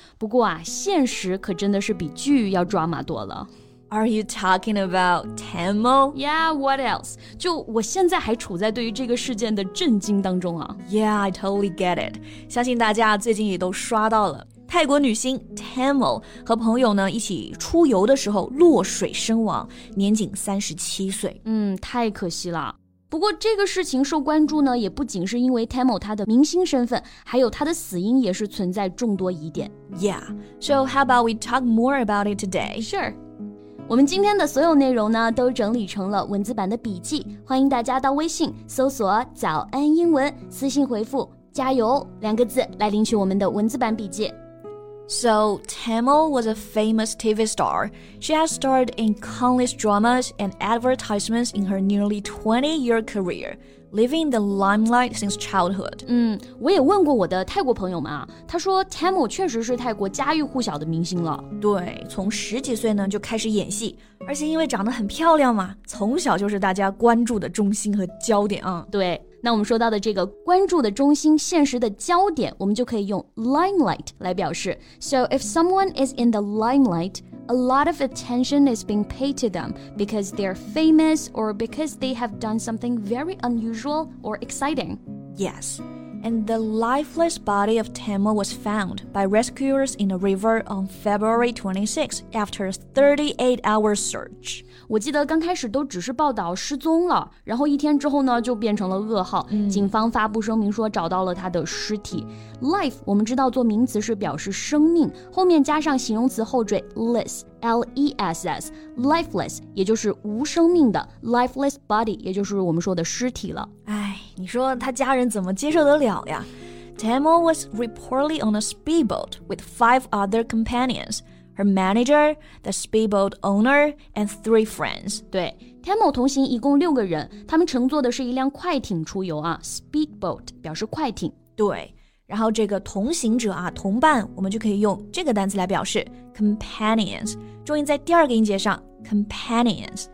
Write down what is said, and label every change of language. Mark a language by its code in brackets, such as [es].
[zh] 不过啊，现实可真的是比剧要抓马多了。 [en] Are you talking about Tamil? Yeah, what else? [zh] 就我现在还处在对于这个事件的震惊当中啊。 [en] Yeah, I totally get it. [zh] 相信大家最近也都刷到了。泰国女星 Tamil 和朋友呢一起出游的时候落水身亡，年仅37岁。太可惜了。不过这个事情受关注呢，也不仅是因为 Tamil 她的明星身份，还有她的死因也是存在众多疑点。 [en] Yeah, so how about we talk more about it today? Sure. [zh] 我们今天的所有内容呢，都整理成了文字版的笔记，欢迎大家到微信搜索早安英文，私信回复加油两个字来领取我们的文字版笔记。 [en] So, Tamil was a famous TV star. She has starred in countless dramas and advertisements in her nearly 20-year career, living the limelight since childhood. [zh] 我也问过我的泰国朋友们啊，他说 Tamil 确实是泰国家喻户晓的明星了。对，从十几岁呢就开始演戏，而且因为长得很漂亮嘛，从小就是大家关注的中心和焦点啊。对。那我们说到的这个关注的中心，现实的焦点，我们就可以用 limelight 来表示。 [en] So if someone is in the limelight, a lot of attention is being paid to them because they're famous or because they have done something very unusual or exciting. Yes, and the lifeless body of Tamil was found by rescuers in a river on February 26 after a 38-hour search. [zh] 我记得刚开始都只是报道失踪了，然后一天之后呢就变成了噩耗。警方发布声明说找到了他的尸体。Life 我们知道做名词是表示生命，后面加上形容词后缀 less, L-E-S-S, lifeless, 也就是无生命的 lifeless body, 也就是我们说的尸体了。哎，你说他家人怎么接受得了呀？ [en] Tamil was reportedly on a speedboat with 5 other companions. Her manager, the speedboat owner, and 3 friends. [zh] 对 ,Tamil 同行一共六个人，他们乘坐的是一辆快艇出游啊 ,speedboat 表示快艇。对，然后这个同行者啊，同伴，我们就可以用这个单词来表示 companions, 重音在第二个音节上 companions.